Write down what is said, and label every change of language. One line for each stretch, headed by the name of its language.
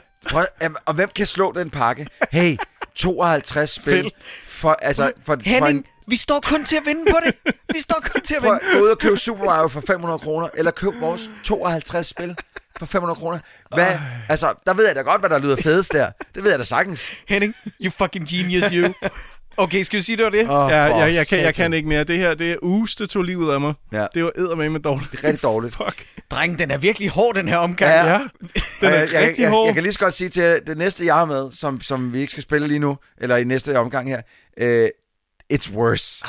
Danish: Prøv, og hvem kan slå den pakke? Hey, 52 spil. Henning, vi står kun til at vinde på det. Vi står kun til at vinde. Prøv ud og købe Super Mario for 500 kroner, eller køb vores 52 spil for 500 kroner. Hvad? Altså, der ved jeg da godt, hvad der lyder fedest der. Det ved jeg da sagtens.
English: Henning, you fucking genius, you.
Danish: Okay, skal vi sige, det var det? Oh, ja, jeg kan ikke mere. Det her, det er uge, det tog livet af mig. Ja. Det var eddermame dårligt. Det er rigtig dårligt. Fuck. Dreng, den er virkelig hård, den her omgang. Ja. Den er rigtig hård. Jeg kan lige så godt sige til det næste, jeg har med, som vi ikke skal spille lige nu, eller i næste omgang her,
English: it's worse.